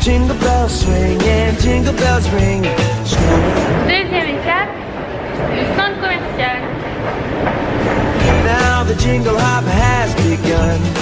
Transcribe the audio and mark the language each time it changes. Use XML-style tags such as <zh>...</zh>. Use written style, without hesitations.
<en>Jingle bells swing, yeah, jingle bells ring.</en> <fr>Deuxième étape, le centre commercial.</fr> <en>Now the jingle hop has begun.</en>